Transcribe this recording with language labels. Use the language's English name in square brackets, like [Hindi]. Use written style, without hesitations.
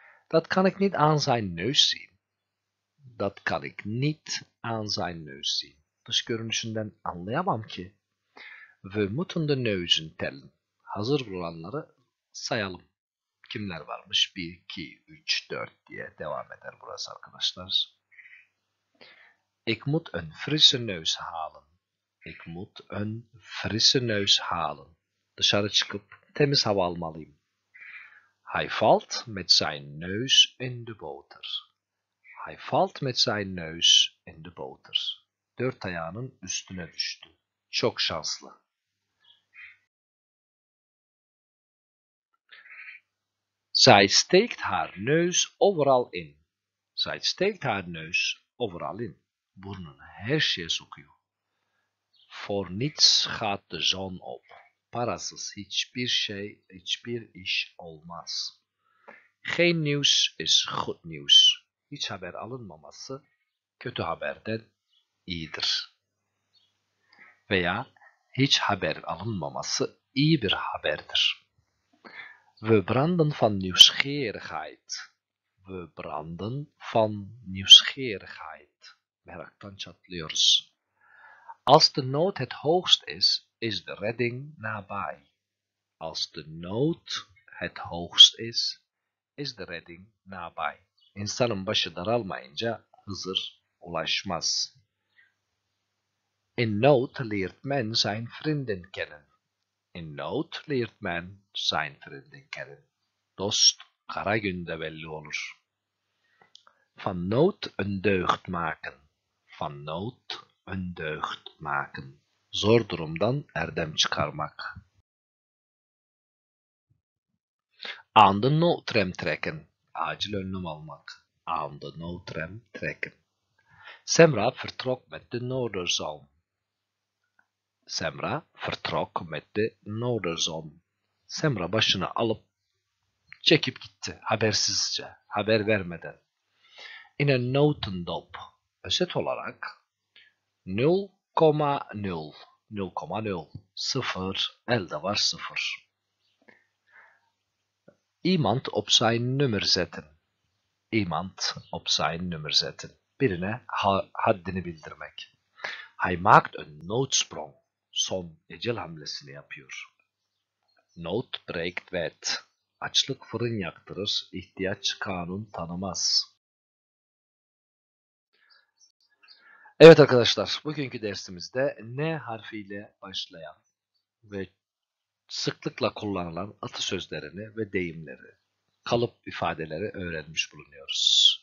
[Dutch] Dat kan ik niet aan zijn neus zien. Dat kan ik niet aan zijn neus zien. [Turkish] Dış görünüşünden anlayamam ki. [Dutch] We moeten de neuzen tellen. [Turkish] Hazır olanları sayalım. Kimler varmış? 1, 2, 3, 4 diye devam eder burası arkadaşlar. [Dutch] Ik moet een frisse neus halen. Ik moet een frisse neus halen. [Turkish] Dışarı çıkıp temiz hava almalıyım. [Dutch] Hij valt met zijn neus in de boter. Hij valt met zijn neus in de boter. [Turkish] Dört ayağının üstüne düştü. Çok şanslı. [Dutch] Zij steekt haar neus overal in. Zij steekt haar neus overal in. [Turkish] Burnunu her şeye sokuyor. [Dutch] Voor niets gaat de zon op. [Turkish] Parasız hiçbir şey, hiçbir iş olmaz. [Dutch] Geen nieuws is goed nieuws. [Turkish] Hiç haber alınmaması kötü haberden iyidir. Veya hiç haber alınmaması iyi bir haberdir. [Dutch] We branden van nieuwsgierigheid. We branden van nieuwsgierigheid. [Turkish] Meraktan çatlıyoruz. [Dutch] Als de nood het hoogst is, is de redding nabij. Als de nood het hoogst is, is de redding nabij. [Turkish] İnsanın başı daralmayınca Hızır ulaşmaz. [Dutch] In nood leert men zijn vrienden kennen. In nood leert men zijn vrienden kennen. [Turkish] Dost kara günde belli olur. [Dutch] Van nood een deugd maken. Van nood een deugd maken. [Turkish] Zor durumdan erdem çıkarmak. [Dutch] Aan de noodrem trekken. [Turkish] Acil önlem almak. [Dutch] Aan de noodrem trekken. Semra vertrok met de Noorderzon. Semra vertrok met de Noorderzon. [Turkish] Semra başını alıp çekip gitti. Habersizce. Haber vermeden. [Dutch] In een notendop. [Turkish] Özet olarak 0,0. 0,0. 0. Elde var 0. [Dutch] Iemand op zijn nummer zetten. Iemand op zijn nummer zetten. [Turkish] Birine haddini bildirmek. [Dutch] Hij maakt een noodsprong. [Turkish] Son ecel hamlesini yapıyor. [Dutch] Nood breekt wet. [Turkish] Açlık fırın yaktırır. İhtiyaç kanun tanımaz. Evet arkadaşlar, bugünkü dersimizde N harfiyle başlayan ve sıklıkla kullanılan atasözlerini ve deyimleri, kalıp ifadeleri öğrenmiş bulunuyoruz.